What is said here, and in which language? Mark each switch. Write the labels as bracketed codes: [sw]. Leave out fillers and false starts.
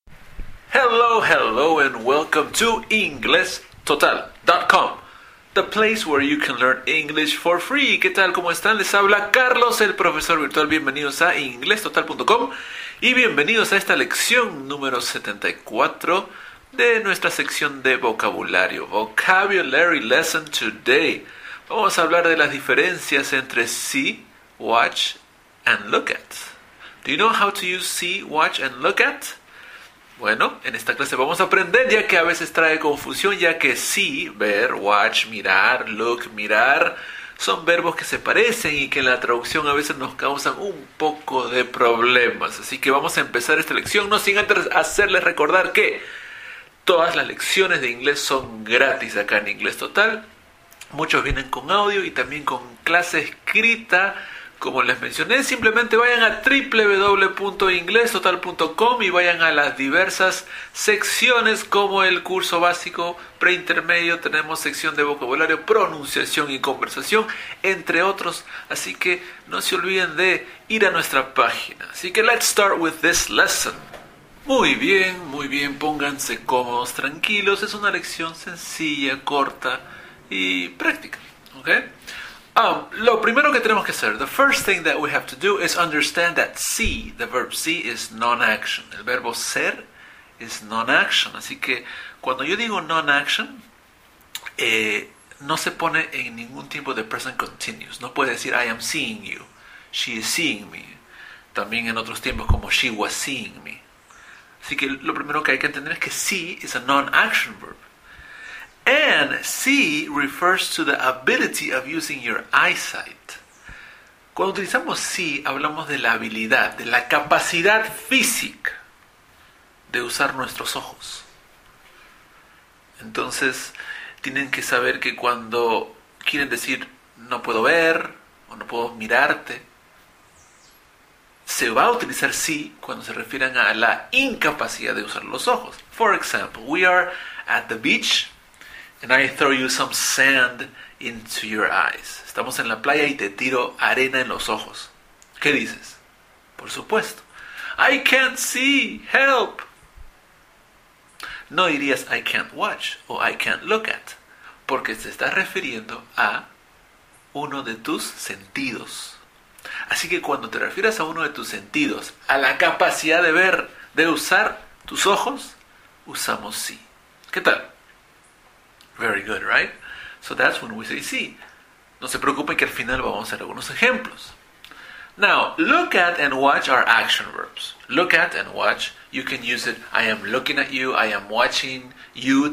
[en] hello and welcome to InglesTotal.com, the place where you can learn English for free. [es] ¿Qué tal? ¿Cómo están? Les habla Carlos, el profesor virtual. Bienvenidos a InglesTotal.com y bienvenidos a esta lección número 74 de nuestra sección de vocabulario. [en] Vocabulary lesson today. [es] Vamos a hablar de las diferencias entre [en] see, watch and look at. Do you know how to use see, watch and look at? [es] Bueno, en esta clase vamos a aprender, ya que a veces trae confusión, ya que see, ver, watch, mirar, look, mirar, son verbos que se parecen y que en la traducción a veces nos causan un poco de problemas. Así que vamos a empezar esta lección, no sin antes hacerles recordar que todas las lecciones de inglés son gratis acá en Inglés Total. Muchos vienen con audio y también con clase escrita. Como les mencioné, simplemente vayan a www.inglestotal.com y vayan a las diversas secciones como el curso básico, preintermedio, tenemos sección de vocabulario, pronunciación y conversación, entre otros. Así que no se olviden de ir a nuestra página. Así que [en] let's start with this lesson. [es] Muy bien, pónganse cómodos, tranquilos. Es una lección sencilla, corta y práctica, ¿ok? Lo primero que tenemos que hacer, [en] the first thing that we have to do is understand that see, the verb see, is non-action. [es] El verbo ser [en] is non-action. [es] Así que cuando yo digo non-action, no se pone en ningún tiempo de present continuous. No puede decir [en] I am seeing you, she is seeing me. [es] También en otros tiempos como [en] she was seeing me. [es] Así que lo primero que hay que entender es que [en] see is a non-action verb. And see refers to the ability of using your eyesight. [es] Cuando utilizamos see, hablamos de la habilidad, de la capacidad física de usar nuestros ojos. Entonces, tienen que saber que cuando quieren decir no puedo ver o no puedo mirarte, se va a utilizar see cuando se refieren a la incapacidad de usar los ojos. [en] For example, we are at the beach and I throw you some sand into your eyes. [es] Estamos en la playa y te tiro arena en los ojos. ¿Qué dices? Por supuesto. [en] I can't see. Help. [es] No dirías [en] I can't watch [es] o [en] I can't look at. [es] Porque se está refiriendo a uno de tus sentidos. Así que cuando te refieras a uno de tus sentidos, a la capacidad de ver, de usar tus ojos, usamos sí. ¿Qué tal? [en] Very good, right? So that's when we say see. [es] No se preocupen que al final vamos a hacer algunos ejemplos. [en] Now, look at and watch are action verbs. Look at and watch, you can use it, I am looking at you, I am watching you.